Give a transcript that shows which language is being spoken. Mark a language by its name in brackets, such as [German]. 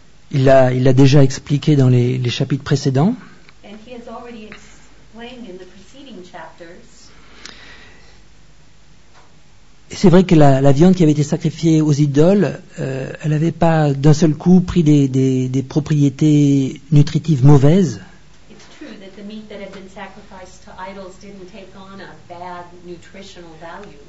[French] Il a déjà expliqué dans les chapitres précédents. [English] And he has already explained in the preceding chapters. [French] Et c'est vrai que la viande qui avait été sacrifiée aux idoles, elle n'avait pas d'un seul coup pris des propriétés nutritives mauvaises. [English] It's true that the meat that had been sacrificed to idols didn't take on a bad nutritional value.